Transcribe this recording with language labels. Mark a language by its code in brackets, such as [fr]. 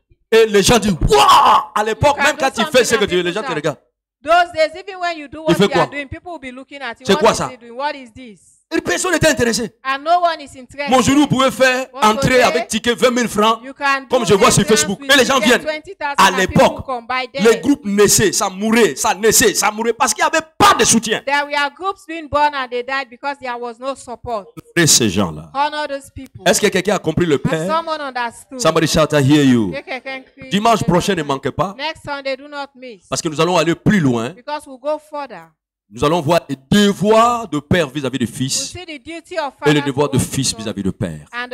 [fr] Et les gens disent, waouh! À l'époque, même quand tu fais ce que tu veux, les gens te regardent. [en] Those days, even when you do what you are doing, people will be looking at you. [fr] C'est quoi ça? [en] What is this? [fr] Et personne n'était intéressé. [en] And no one is interested. [fr] Mon genou pouvait faire entrer avec ticket 20 000 francs, comme je vois sur Facebook. Et les gens viennent. 20, à l'époque, les groupes naissaient, ça mourait, parce qu'il n'y avait pas de soutien. [en] There were groups being born and they died because there was no support. [fr] Honorer ces gens-là. [en] Honor those people. [fr] Est-ce que quelqu'un a compris le Père? [en] And someone understood. Somebody shout, I hear you. Okay, [fr] dimanche prochain, ne manquez pas. [en] Next Sunday, do not miss. [fr] Parce que nous allons aller plus loin. [en] Because we'll go further. [fr] Nous allons voir les devoirs de père vis-à-vis de fils et les devoirs de fils vis-à-vis de père.